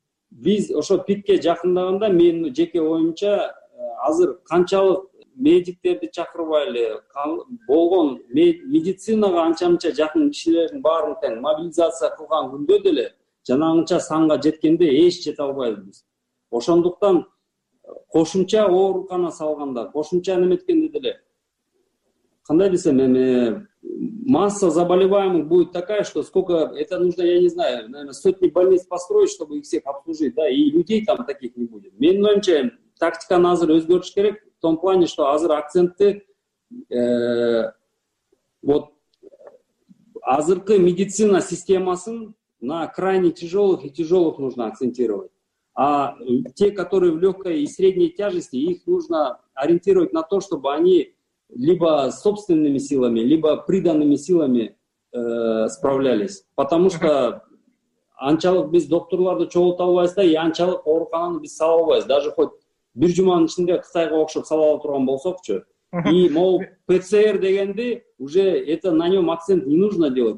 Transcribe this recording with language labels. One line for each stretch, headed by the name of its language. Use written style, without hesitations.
Kyrgyz: Биз ошо пикке жакындаганда менин жеке оюмча азыр канчалык медиктерди чакырбай эле болгон медицинага анча мынча жакын кишилердин баарын тең мобилизация кылган күндө деле жанагынча санга жеткенде эч жете албайбыз. Ошондуктан кошумча оорукана салганда, кошумча неметкенде деле, кандай десем, эми
Russian: масса заболеваемых будет такая, что сколько это нужно, я не знаю, наверное, сотни больниц построить, чтобы их всех обслужить, да, и людей там таких не будет.
Kyrgyz: Менин оюмча тактиканы азыр өзгөртүш керек,
Russian: в том плане, что
Kyrgyz: азыр акцентти
Russian: вот
Kyrgyz: азыркы медицина системасын
Russian: на крайне тяжелых и тяжелых нужно акцентировать. А те, которые в легкой и средней тяжести, их нужно ориентировать на то, чтобы они либо собственными силами, либо приданными силами справлялись. Потому что
Kyrgyz: анчалык биз доктурларды чогулта албайбыз да, и анчалык оорукананы биз сала албайбыз. Даже хоть бир жуманын ичинде Кытайга окшоп сала ала турган болсокчу.
Russian: И могу ПЦР дегенди уже это на нем акцент не нужно делать.